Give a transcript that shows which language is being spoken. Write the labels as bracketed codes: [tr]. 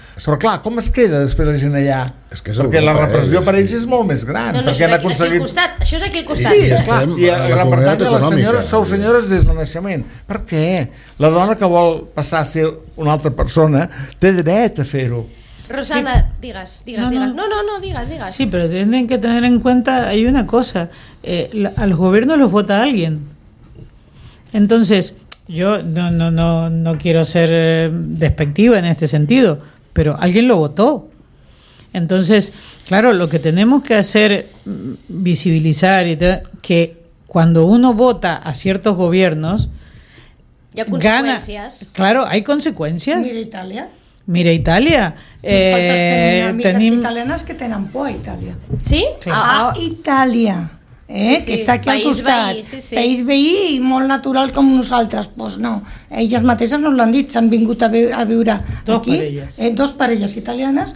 [ca] Però clar, com es queda després la gent allà? És que és perquè Europa, la repressió per ells és molt més gran. No, això és aquí al costat. Això és aquí al costat. Sí, esclar, i a la comunitat econòmica. Les senyores sou senyores des del naixement. Per què? La dona que vol passar a ser una altra persona té dret a fer-ho. Rosana, digas. [es] Sí, pero tienen que tener en cuenta, hay una cosa, al gobierno los vota alguien. Entonces, yo no quiero ser despectiva en este sentido, pero alguien lo votó. Entonces, claro, lo que tenemos que hacer, visibilizar y que cuando uno vota a ciertos gobiernos, ya consecuencias. Gana. Claro, hay consecuencias. Mira Italia. Mira Italia. [ca] Tenim italianes que tenen por a Itàlia. Sí? Itàlia, sí, que està aquí al costat. País veí, sí, sí. País veí, molt natural com nosaltres. [es] Pues no, [ca] elles mateixes no l'han dit, s'han vingut a viure dos aquí. Parelles. Dos parelles italianes.